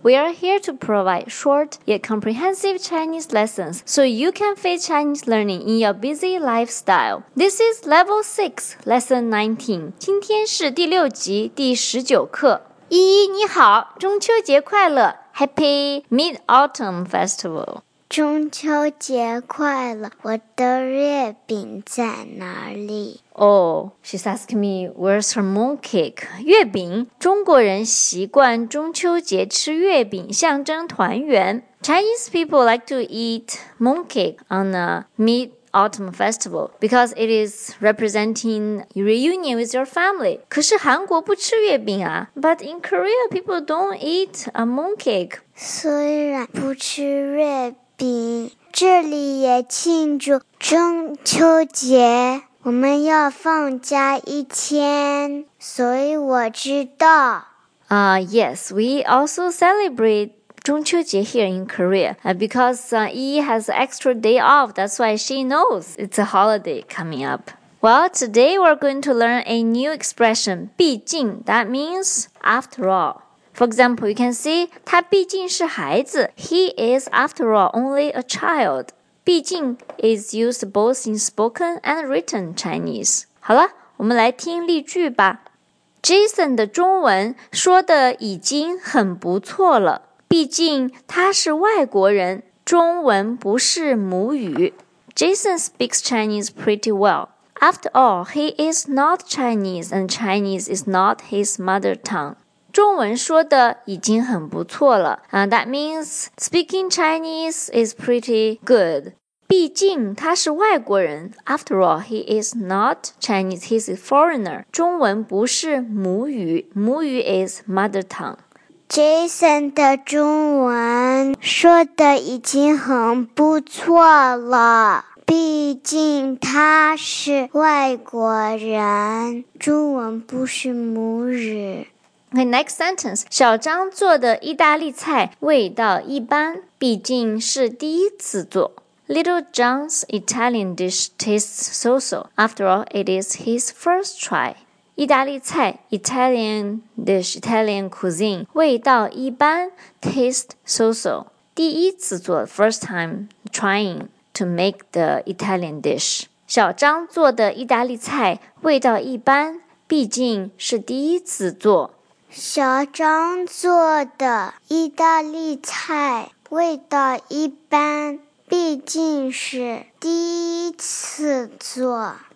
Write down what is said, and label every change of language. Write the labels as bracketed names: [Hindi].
[English] We are here to provide short yet comprehensive Chinese lessons so you can fit Chinese learning in your busy lifestyle. This is Level 6, Lesson 19. [Chinese] 今天是第六集第十九课。依依你好，中秋节快乐 ， [English] Happy Mid-Autumn Festival。 [Chinese] 中秋节快乐，我的月饼在哪里？ [English] Oh, she's asking me, where's her mooncake? [Chinese] 月饼，中国人习惯中秋节吃月饼，象征团圆。 [English] Chinese people like to eat mooncake on a mid-autumn festival because it is representing reunion with your family. [Chinese] 可是韩国不吃月饼啊。 [English] But in Korea, people don't eat a mooncake. [Chinese] 虽然不吃月饼，这里也庆祝中秋节。我们要放假一天，所以我知道。 [English] Yes, we also celebrate 中秋节 here in Korea. Because Yi has an extra day off, that's why she knows it's a holiday coming up. Well, today we're going to learn a new expression, 毕竟, that means after all. For example, you can say, [Chinese] 他毕竟是孩子, [English] he is after all only a child. 毕竟 is used both in spoken and written Chinese. [Chinese] 好了，我们来听例句吧。Jason 的中文说的已经很不错了。毕竟他是外国人，中文不是母语。 [English] Jason speaks Chinese pretty well. After all, he is not Chinese and Chinese is not his mother tongue. [Chinese] 中文说的已经很不错了。 [English] That means speaking Chinese is pretty good. [Chinese] 毕竟他是外国人。 [English] After all, he is not Chinese, he's a foreigner. [Chinese] 中文不是母语。母语 [English] is mother tongue. [Chinese] Jason 的中文说的已经很不错了。毕竟他是外国人。中文不是母语。 [English] Okay, next sentence. [Chinese] 小张做的意大利菜味道一般，毕竟是第一次做。 [English] Little John's Italian dish tastes so-so. After all, it is his first try. 意大利菜 Italian dish, Italian cuisine, [Chinese] 味道一般 [English] tastes so-so. [Chinese] 第一次做 [English] first time trying to make the Italian dish. [Chinese] 小张做的意大利菜味道一般，毕竟是第一次做。小张做的意大利菜味道一般，毕竟是第一次做。